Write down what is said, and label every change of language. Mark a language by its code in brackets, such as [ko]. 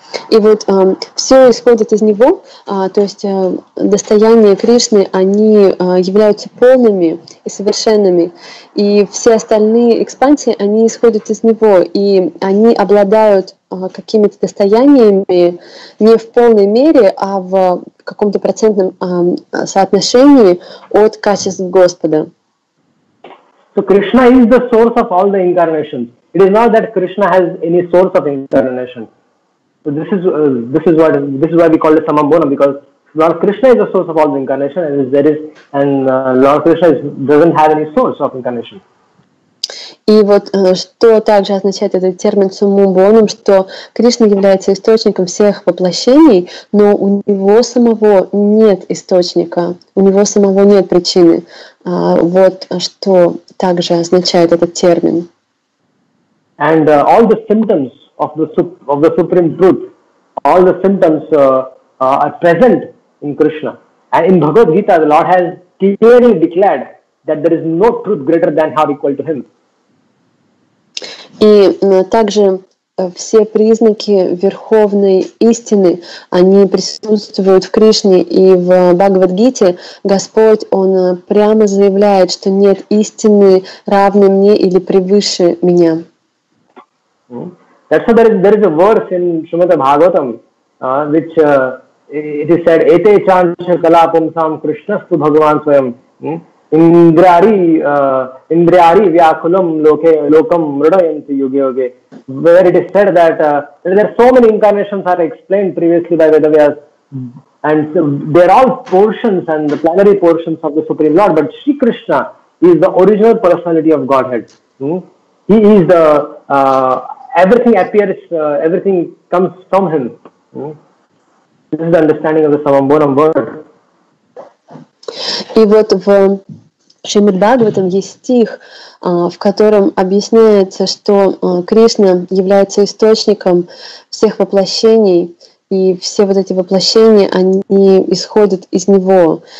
[ru] И вот все исходит из него, то есть достояния Кришны, они являются полными и совершенными, и все остальные экспансии, они исходят из него, и они обладают какими-то достояниями не в полной мере, а в каком-то процентном соотношении от качеств Господа. [en] So Krishna is the source of all the incarnations. It is not that Krishna has any source of incarnation. So this is why we call it Summum Bonum, because Lord Krishna is the source of all the incarnation, and Lord Krishna doesn't have any source of incarnation. [ru] И вот что также означает этот термин Summum Bonum, что Кришна является источником всех воплощений, но у него самого нет источника, у него самого нет причины. Вот что также означает этот термин. [en] And all the symptoms of the Supreme Truth, all the symptoms are present in Krishna. And in Bhagavad Gita, the Lord has clearly declared that there is no truth greater than or equal to Him. [ru] И также все признаки верховной истины, они присутствуют в Кришне и в Бхагавад-гите. Господь, Он прямо заявляет, что нет истины равной мне или превыше меня. [en] That's why there is a verse in Srimad Bhagavatam, which it is said, [sa] Ete chancha kalapumsam krishnastu bhagavan swayam. Indriari vyakulam lokam mridayanti yuge. [en] Where it is said that there are so many incarnations are explained previously by Vedavyas, and so they are all portions and the planetary portions of the Supreme Lord, but Sri Krishna is the original personality of Godhead. He is the everything appears, everything comes from Him. This is the understanding of the Summum Bonum word. [ru] И вот в Шримад Бхагаватам есть стих, в котором объясняется, что Кришна является источником всех воплощений, и все вот эти воплощения, они исходят из Него.